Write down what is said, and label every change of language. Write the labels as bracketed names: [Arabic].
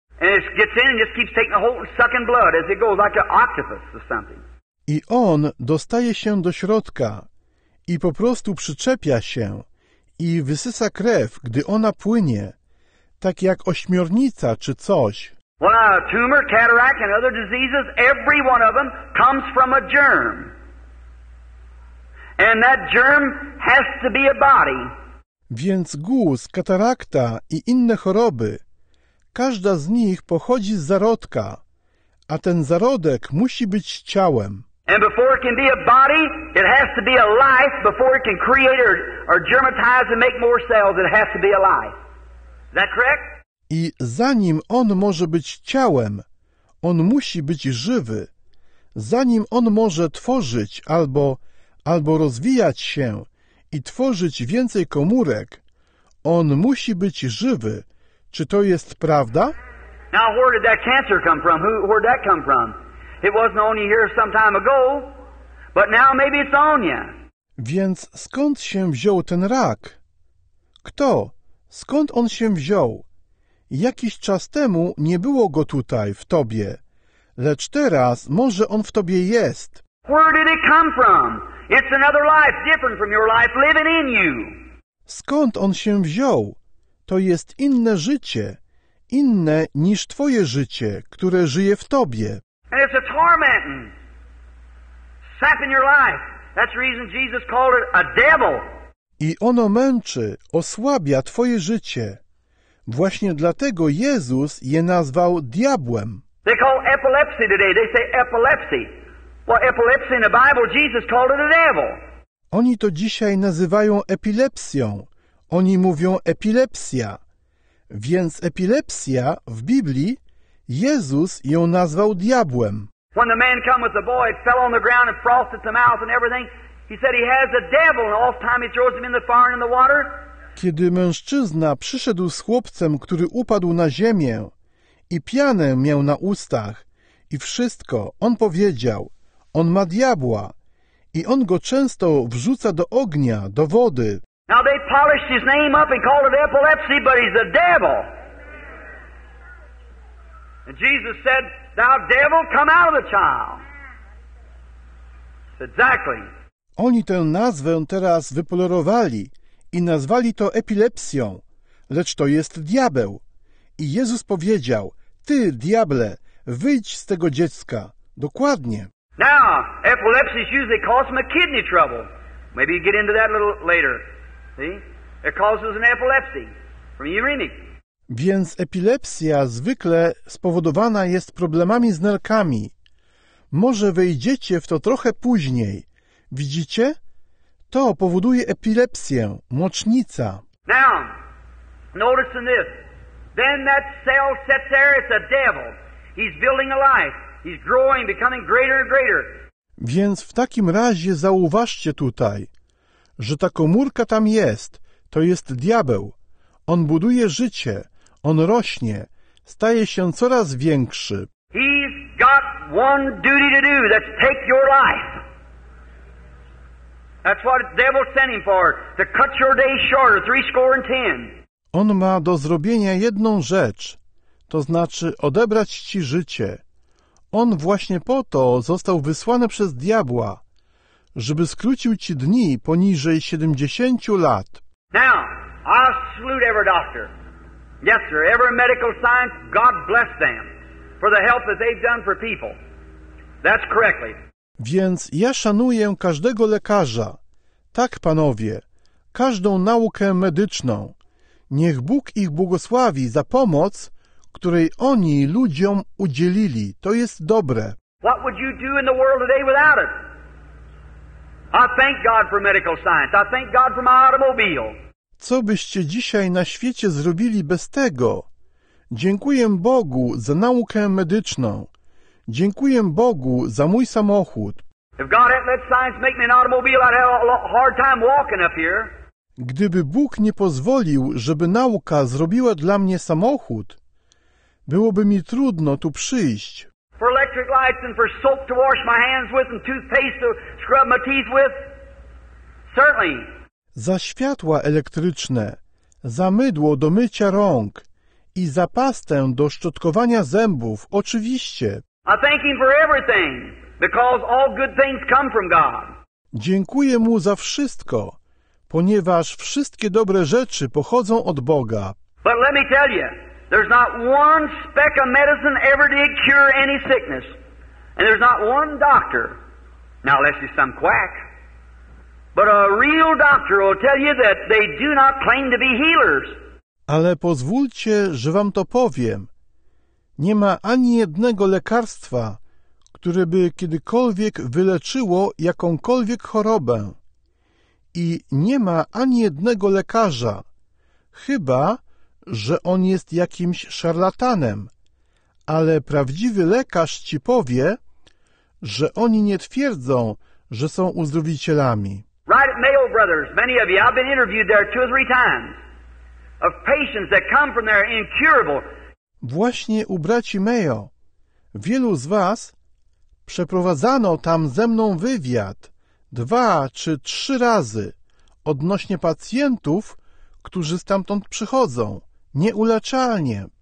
[English] And it gets in and just keeps taking a hold and sucking blood as it goes, like an octopus or something. [Polish] I on dostaje się do środka i po prostu przyczepia się i wysysa krew, gdy ona płynie, tak jak ośmiornica czy coś. [English] Well, now, tumor, cataract and other diseases, every one of them comes from a germ. And that germ has to be a body. [Polish] Więc guz, katarakta i inne choroby, każda z nich pochodzi z zarodka, a ten zarodek musi być ciałem. [English] And before it can be a body, it has to be a life. Before it can create or germatize and make more cells, it has to be a life. Is that correct? [Polish] I zanim on może być ciałem, on musi być żywy. Zanim on może tworzyć albo rozwijać się i tworzyć więcej komórek, on musi być żywy. Czy to jest prawda? [English] Now, where did that cancer come from? Where did that come from? It wasn't on you here some time ago, but now maybe it's on you. [Polish] Więc skąd się wziął ten rak? Kto? Skąd on się wziął? Jakiś czas temu nie było go tutaj, w tobie. Lecz teraz może on w tobie jest. [English] Where did it come from? It's another life, different from your life, living in you. [Polish] Skąd on się wziął? To jest inne życie. Inne niż twoje życie, które żyje w tobie. [English] And it's a tormenting, sapping your life. That's the reason Jesus called it a devil. [Polish] I ono męczy, osłabia twoje życie. Właśnie dlatego Jezus je nazwał diabłem. [English] They call epilepsy today. They say epilepsy. Well, epilepsy in the Bible, Jesus called it a devil. [Polish] Oni to dzisiaj nazywają epilepsją. Oni mówią epilepsja. Więc epilepsja w Biblii, Jezus ją nazwał diabłem. [English] When the man come with the boy, it fell on the ground and frosted the mouth and everything. He said he has a devil and all the time he throws him in the fire and in the water. [Polish] Kiedy mężczyzna przyszedł z chłopcem, który upadł na ziemię i pianę miał na ustach i wszystko, on powiedział, on ma diabła i on go często wrzuca do ognia, do wody. [English] Now they polished his name up and called it epilepsy, but he's a devil. And Jesus said, thou devil, come out of the child. Exactly. [Polish] Oni tę nazwę teraz wypolerowali i nazwali to epilepsją, lecz to jest diabeł. I Jezus powiedział, ty, diable, wyjdź z tego dziecka. Dokładnie. [English] Now, epilepsy usually cause him a kidney trouble. Maybe you get into that a little later. See? It causes an epilepsy from uremic. [Polish] Więc epilepsja zwykle spowodowana jest problemami z nerkami. Może wejdziecie w to trochę później. Widzicie? To powoduje epilepsję, mocznica. [English] Now, notice in this. Then that cell sits there, it's a devil. He's building a life. He's growing, becoming greater and greater. [Polish] Więc w takim razie zauważcie tutaj, że ta komórka tam jest, to jest diabeł. On buduje życie, on rośnie, staje się coraz większy. [English] He's got one duty to do, that's take your life. That's what the devil sent him for, to cut your day shorter, 70. [Polish] On ma do zrobienia jedną rzecz, to znaczy odebrać ci życie. On właśnie po to został wysłany przez diabła, żeby skrócił ci dni poniżej 70 lat. [English] Now, I salute every doctor. Yes, sir, every medical science, God bless them for the help that they've done for people. That's correctly. [Polish] Więc ja szanuję każdego lekarza. Tak, panowie, każdą naukę medyczną. Niech Bóg ich błogosławi za pomoc, której oni ludziom udzielili. To jest dobre. [English] What would you do in the world today without it? I thank God for medical science. I thank God for my automobile. [Polish] Co byście dzisiaj na świecie zrobili bez tego? Dziękuję Bogu za naukę medyczną. Dziękuję Bogu za mój samochód. [English] If God hadn't let science make me an automobile, I'd have a hard time walking up here. [Polish] Gdyby Bóg nie pozwolił, żeby nauka zrobiła dla mnie samochód, byłoby mi trudno tu przyjść. [English] For electric lights and for soap to wash my hands with and toothpaste to scrub my teeth with? Certainly. [Polish] Za światła elektryczne, za mydło do mycia rąk i zapastę do szczotkowania zębów, oczywiście. [English] I thank him for everything, because all good things come from God. [Polish] Dziękuję mu za wszystko, ponieważ wszystkie dobre rzeczy pochodzą od Boga. [English] But let me tell you, there's not one speck of medicine ever did cure any sickness. And there's not one doctor, now unless he's some quack, but a real doctor will tell you that they do not claim to be healers. [Polish] Ale pozwólcie, że wam to powiem. Nie ma ani jednego lekarstwa, które by kiedykolwiek wyleczyło jakąkolwiek chorobę. I nie ma ani jednego lekarza, chyba że on jest jakimś szarlatanem. Ale prawdziwy lekarz ci powie, że oni nie twierdzą, że są uzdrowicielami. [English] Right at Mayo Brothers, many of you, I've been interviewed there two or three times. Of patients that come from there incurable. [Polish] Właśnie u braci Mayo, wielu z was przeprowadzano tam ze mną wywiad dwa czy trzy razy odnośnie pacjentów, którzy stamtąd przychodzą, nieuleczalnie.